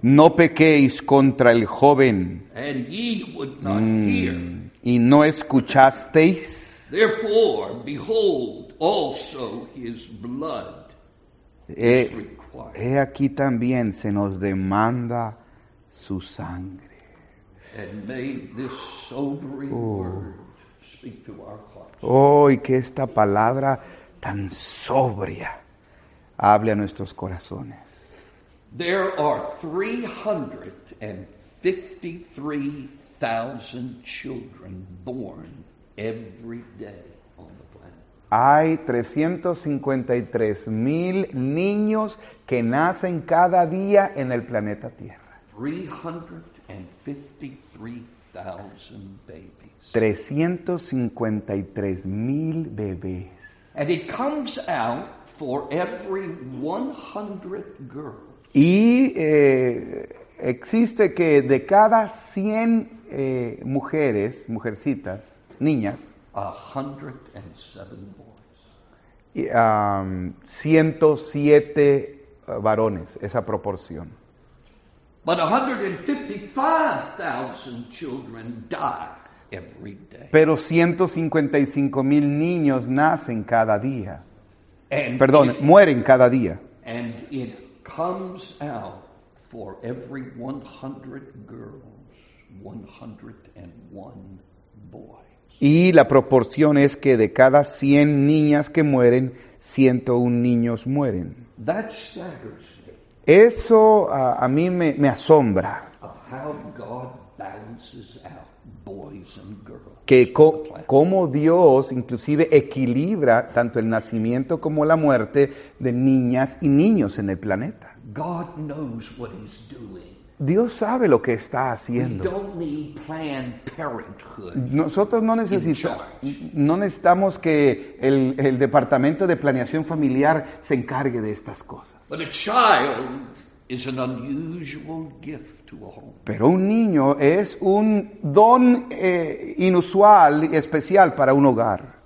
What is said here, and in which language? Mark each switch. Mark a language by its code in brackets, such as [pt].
[es] No pequéis contra el joven, [en] and ye would not hear. [es] Y no escuchasteis. [en] Therefore, behold, also his blood is required. [es] He aquí también se nos demanda su sangre. [en] And may this sobering word speak to our hearts. [es] Oh, y que esta palabra tan sobria hable a nuestros corazones. [en] There are 353,000 children born every day on the planet. [es] Hay 353,000 niños que nacen cada día en el planeta Tierra. [en] 353,000 babies. [es] 353,000 bebés. [en] And it comes out for every 100 girls. [es] Y existe que de cada 100 mujeres, mujercitas, niñas, [en] 107 boys. [es] Y, 107 varones, esa proporción. [en] But 155,000 children die every day. [es] Pero 155,000 niños nacen cada día. [en] And [es] perdón, mueren cada día. [en] And it comes out for every 100 girls, 101 boys. [es] Y la proporción es que de cada 100 niñas que mueren, 101 niños mueren. [en] That staggers me. [es] Eso a mí me asombra. [en] How God balances out boys and girls. [es] Que cómo Dios inclusive equilibra tanto el nacimiento como la muerte de niñas y niños en el planeta. [en] God knows what he's doing. [es] Dios sabe lo que está haciendo. [en] We don't need Planned Parenthood. [es] Nosotros no necesitamos, no necesitamos que el Departamento de Planeación Familiar se encargue de estas cosas. [en] But a child is an unusual gift to a home. [es] Pero un niño es un don inusual y especial para un hogar.